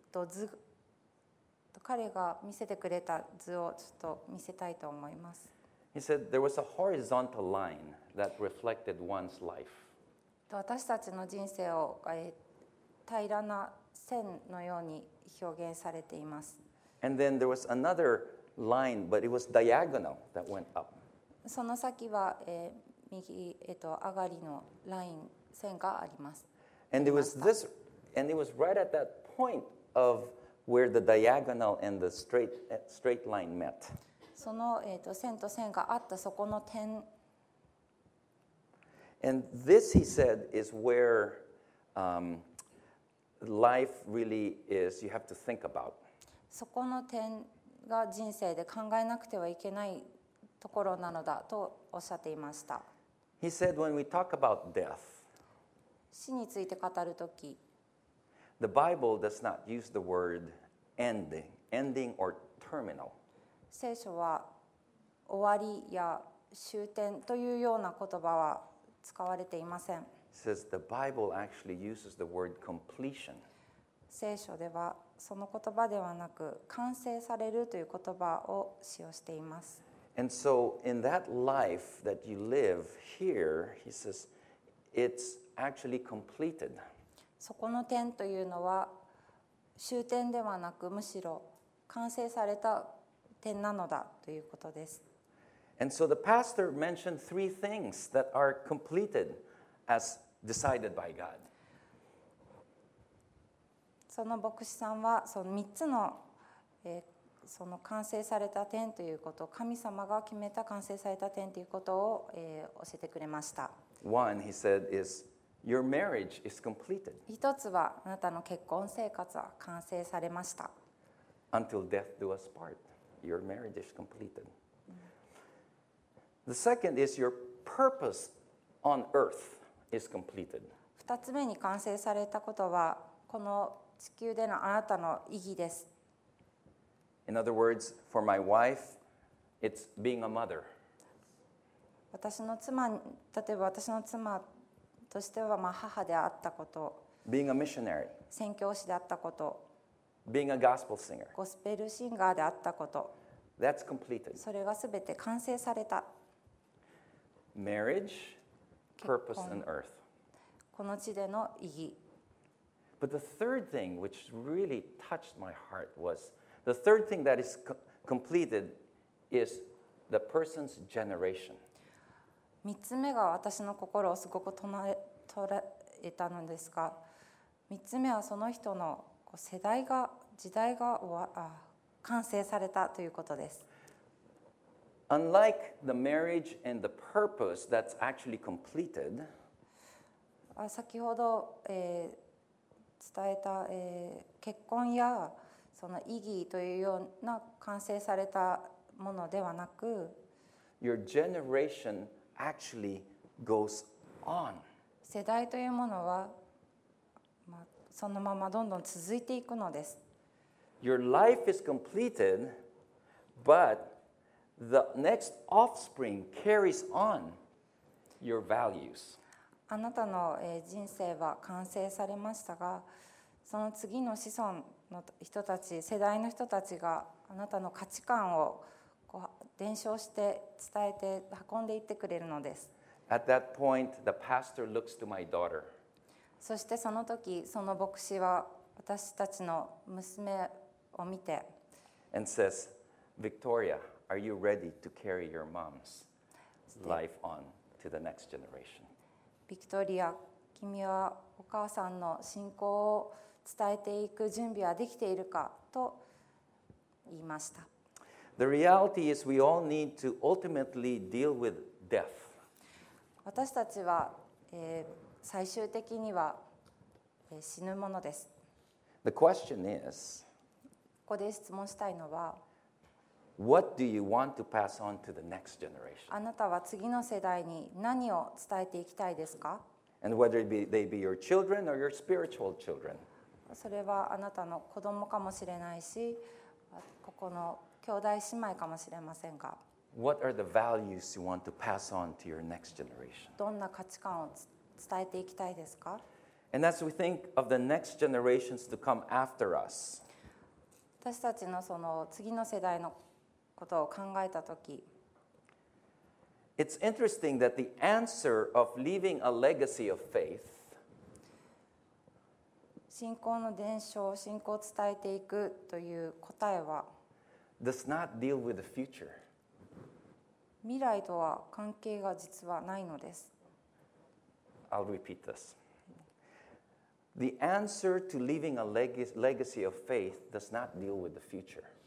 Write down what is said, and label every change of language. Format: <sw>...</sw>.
<ja>図、彼が見せてくれた図をちょっと見せたいと思います。</ja> <en>He said there was a horizontal line that reflected one's life.</en> <ja>私たちの人生を平らな線のように表現されています。</ja> <en>And then there was another line, but it was diagonal that went up.</en> <ja>その先は右上がりのライン線があります。</ja> <en>And it was this, and it was right at that point of where the diagonal and the straight line met.</en> <ja>その線と線があったそこの点。</ja> <en>And this, he said, is where life really is. You have to think about.</en> <ja>そこの点が人生で考えなくてはいけないところなのだとおっしゃっていました。</ja> <en>He said, when we talk about death,</en> <ja>死について語るとき、</ja> <en>The Bible does not use the word ending or terminal.</en> <ja>聖書は終わりや終点というような言葉は使われていません。</ja> <en>Says the Bible actually uses the word completion.</en> <ja>聖書ではその言葉ではなく完成されるという言葉を使用しています。</ja> <en>And so in that life that you live here, he says it's actually completed.</en> <ja>そこの点というのは終点ではなくむしろ完成された点なのだということです。</ja> <en>And so the pastor mentioned three things that are completed as decided by God.</en> <ja>その牧師さんはその三つの、その完成された点ということ、神様が決めた完成された点ということを、教えてくれました。</ja> <en>One, he said, is your marriage is completed.</en> <ja>一つはあなたの結婚生活は完成されました。</ja> <en>Until death do us part. Your marriage is completed. The second is your purpose on earth is completed.</en> <ja>二つ目に完成されたことはこの地球でのあなたの意義です。</ja> <en>In other words, for my wife, it's being a mother.</en> <ja>私の妻、例えば私の妻としては母であったこと。</ja> <en>Being a missionary.</en> <ja>宣教師であったこと。</ja> <en>Being a gospel singer.</en> <ja>ゴスペルシンガーであったこと。</ja> <en>That's completed.</en> <ja>それがすべて完成された。</ja> <en>Marriage, purpose, and earth.</en> <ja>この地での意義。</ja> <en>But the third thing which really touched my heart was the third thing that is completed is the person's generation.</en> <ja>三つ目が私の心をすごく捉えたのですが、三つ目はその人の世代が時代が完成されたということです。</ja> <en>Unlike the marriage and the purpose that's actually completed,</en> <ja>先ほど、伝えた、結婚やその意義というような完成されたものではなく、</ja> <en>Your generation actually goes on.</en> <ja>世代というものは、そのままどんどん続いていくのです。</ja> <en>Your life is completed, but the next offspring carries on your values.</en> <ja>あなたの人生は完成されましたが、その次の子孫の人たち、世代の人たちがあなたの価値観をこう伝承して伝えて運んでいってくれるのです。</ja> <en>At that point, the pastor looks to my daughter.</en> <ja>そしてその時、その牧師は私たちの娘を見て、</ja> <en>And says, Victoria, are you ready to carry your mom's life on to the next generation?</en> <ja>Victoria, 君はお母さんの信仰を伝えていく準備はできているかと言いました。</ja> <en>The reality is we all need to ultimately deal with death.</en> <ja>私たちは、最終的には、死ぬものです。</ja> <en>The question is,</en> <ja>ここで質問したいのは、</ja> <en>What do you want to pass on to the next generation?</en> <ja>あなたは次の世代に何を伝えていきたいですか?</ja> <en>And whether they be your children or your spiritual children.</en> <ja>それはあなたの子供かもしれないし、ここの兄弟姉妹かもしれませんが。</ja> <en>What are the values you want to pass on to your next generation?</en> <ja>どんな価値観を伝えていきたいですか?</ja> <en>And as we think of the next generations to come after us,</en> <ja>私たちのその次の世代のことを考えたとき、</ja> <en>It's interesting that the answer of leaving a legacy of faith,</en> <ja>信仰の伝承、信仰を伝えていくという答えは、</ja> <en>does not deal with the future.</en> <ja>未来とは関係が実はないのです。</ja> <en>I'll repeat this. The answer to leaving a legacy of faith does not deal with the future.</en>